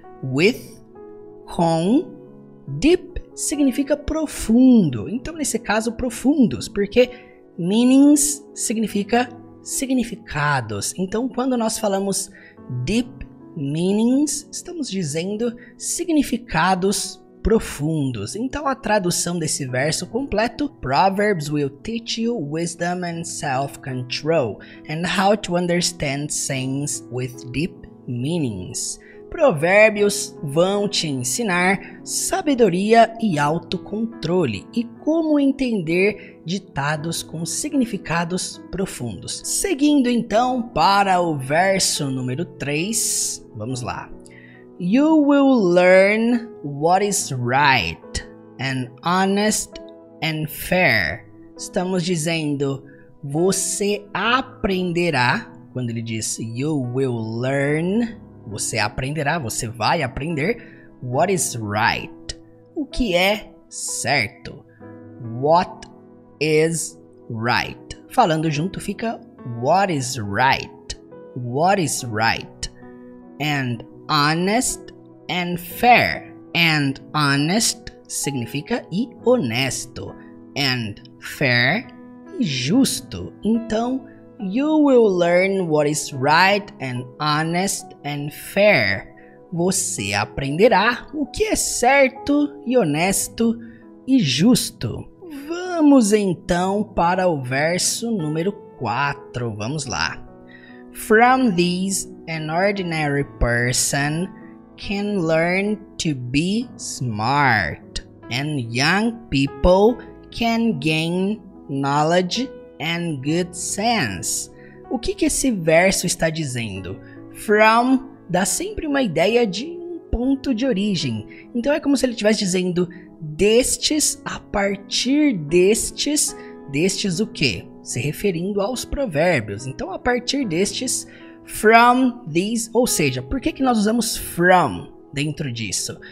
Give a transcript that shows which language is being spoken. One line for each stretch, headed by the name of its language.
Portuguese: With, com, deep significa profundo. Então, nesse caso, profundos, porque meanings significa significados. Então, quando nós falamos deep meanings, estamos dizendo significados profundos. Então, a tradução desse verso completo,
English: Proverbs will teach you wisdom and self-control and how to understand sayings with deep meanings.
Portuguese: Provérbios vão te ensinar sabedoria e autocontrole e como entender ditados com significados profundos. Seguindo então para o verso número 3, vamos lá.
English: You will learn what is right and honest and fair.
Portuguese: Estamos dizendo, você aprenderá, quando ele diz
English: you will learn,
Portuguese: você aprenderá, você vai aprender.
English: What is right?
Portuguese: O que é certo?
English: What is right?
Portuguese: Falando junto fica
English: what is right? what is right and honest and fair. And honest
Portuguese: significa e honesto,
English: and fair
Portuguese: e justo.
English: Então, you will learn what is right and honest and fair.
Portuguese: Você aprenderá o que é certo e honesto e justo. Vamos então para o verso número 4. Vamos lá.
English: From these, an ordinary person can learn to be smart, and young people can gain knowledge and good sense.
Portuguese: O que que esse verso está dizendo? From dá sempre uma ideia de um ponto de origem. Então é como se ele estivesse dizendo destes, a partir destes, destes o quê? Se referindo aos provérbios. Então a partir destes,
English: from these,
Portuguese: ou seja, por que que nós usamos from dentro disso?